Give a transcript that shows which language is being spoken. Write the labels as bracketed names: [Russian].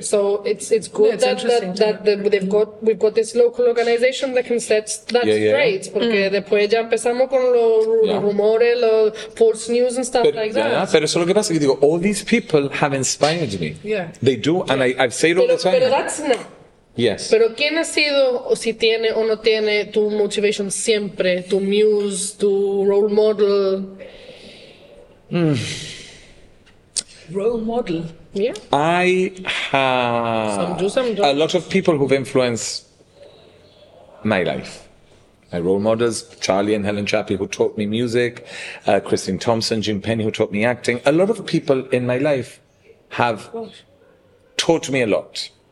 [English] So it's good we've got this local organization that can set that straight. Yeah. [Spanish] Porque después ya empezamos con los rumores, los [English] false news and stuff [Spanish] Pero eso es lo que pasa. Yo digo, [English] all these people have inspired me. Yeah. They do, and I've said it all the time. [Spanish] Pero [English] that's not. Yes. [Spanish] Pero ¿quién ha sido, o si tiene o no tiene, tu motivation siempre, tu muse, tu role model? [English] Role model, yeah. I have a lot of people who've influenced my life. My role models, Charlie and Helen Chappie, who taught me music, Christine Thompson, Jim Penny, who taught me acting. A lot of people in my life have taught me a lot.